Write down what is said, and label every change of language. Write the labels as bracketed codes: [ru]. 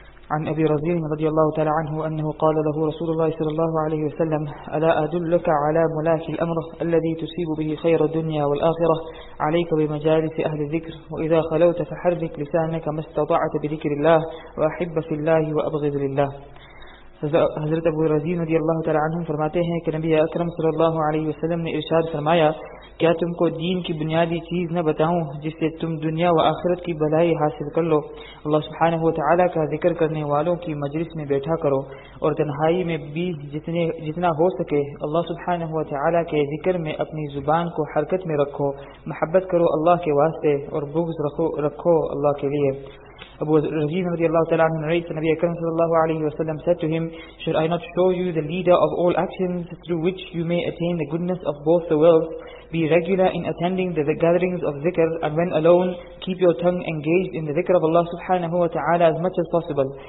[ar] عن أبي رضي الله تعالى عنه أنه قال له رسول الله صلى الله عليه وسلم: ألا أدلك على ملاك الأمر الذي تصيب به خير الدنيا والآخرة؟ عليك بمجالس أهل الذكر، وإذا خلوت فحرك لسانك ما استطعت بذكر الله، وأحب في الله وأبغض لله. [ur] حضرت ابو رضی رضی اللہ تعالی عنہ فرماتے ہیں کہ نبی اکرم صلی اللہ علیہ وسلم نے ارشاد فرمایا: کیا تم کو دین کی بنیادی چیز نہ بتاؤں جس سے تم دنیا و آخرت کی بھلائی حاصل کر لو؟ اللہ سبحانہ و تعالی کا ذکر کرنے والوں کی مجلس میں بیٹھا کرو، اور تنہائی میں بھی جتنا ہو سکے اللہ سبحانہ و تعالی کے ذکر میں اپنی زبان کو حرکت میں رکھو، محبت کرو اللہ کے واسطے اور بغض رکھو اللہ کے لیے. [en] Abu Razin [ar] رضي الله تعالى عنه [en] narrates that Nabi Akram [ar] صلى الله عليه وسلم [en] said to him, should I not show you the leader of all actions through which you may attain the goodness of both the worlds? Be regular in attending the gatherings of dhikr, and when alone, keep your tongue engaged in the dhikr of Allah subhanahu wa ta'ala as much as possible.